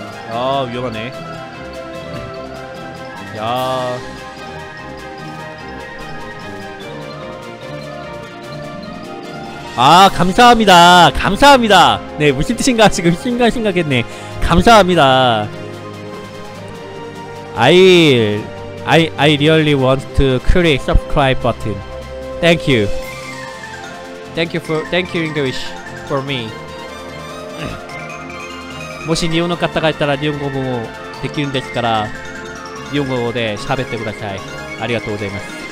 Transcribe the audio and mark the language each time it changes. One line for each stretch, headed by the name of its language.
Korean: 야, 위험하네. 야. 아, 감사합니다. 감사합니다. 네, 무슨 뜻인가 지금 순간 생각했네. 감사합니다.
English: I really want to click subscribe button. Thank you. Thank you English for me.
Japanese: もし 日本の方がいたら日本語もできるんですから日本語で喋ってください.ありがとうございます.